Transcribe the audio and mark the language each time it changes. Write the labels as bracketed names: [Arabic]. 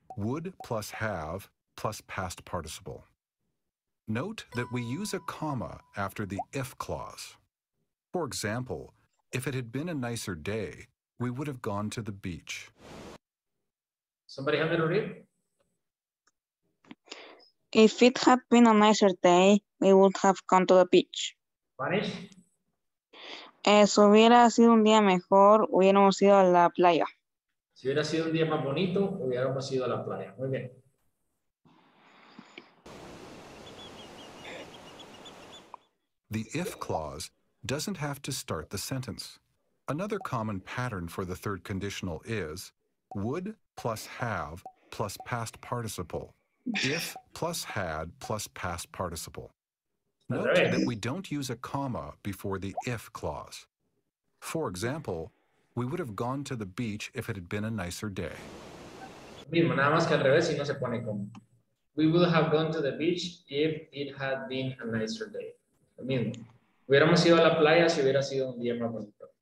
[English] Would plus have plus past participle. Note that we use a comma after the if clause. For example, if it had been a nicer day, we would have gone to the beach. Somebody have it already? If it had been a nicer day, we would have gone to the beach. Spanish? [Spanish] Si hubiera sido un día mejor, hubiéramos ido a la playa. Si hubiera sido un día más bonito, hubiéramos ido a la playa. Muy bien. [English] The if clause doesn't have to start the sentence. Another common pattern for the third conditional is would plus have plus past participle. If plus had plus past participle. Note that we don't use a comma before the if clause. For example, we would have gone to the beach if it had been a nicer day. We would have gone to the beach if it had been a nicer day. [Spanish] Hubiéramos ido a la playa si hubiera sido un día más bonito.